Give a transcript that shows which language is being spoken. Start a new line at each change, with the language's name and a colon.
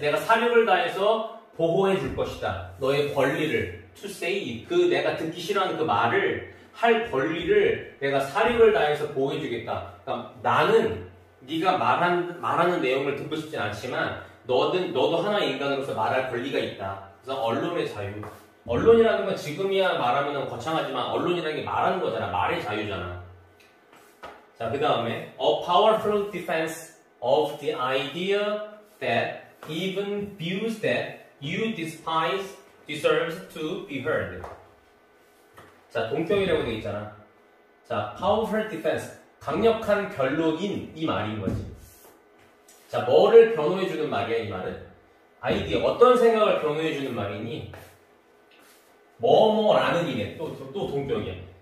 Korean: 내가 사력을 다해서 보호해 줄 것이다. 너의 권리를
English: to say
Korean: 그 내가 듣기 싫어하는 그 말을 할 권리를 내가 사력을 다해서 보호해 주겠다. 그러니까 나는 네가 말하는 내용을 듣고 싶진 않지만 너도 하나의 인간으로서 말할 권리가 있다. 그래서 언론의 자유. 언론이라는 건 지금이야 말하면 거창하지만 언론이라는 게 말하는 거잖아. 말의 자유잖아. 자, 그 다음에
English: A powerful defense of the idea that even views that you despise deserves to be heard.
Korean: 자, 동격이라고 돼 있잖아. 자,
English: powerful defense.
Korean: 강력한 결론인 이 말인 거지. 자, 뭐를 변호해주는 말이야, 이 말은? 아이디어. 어떤 생각을 변호해주는 말이니? 뭐뭐라는 이네. 또 동격이야.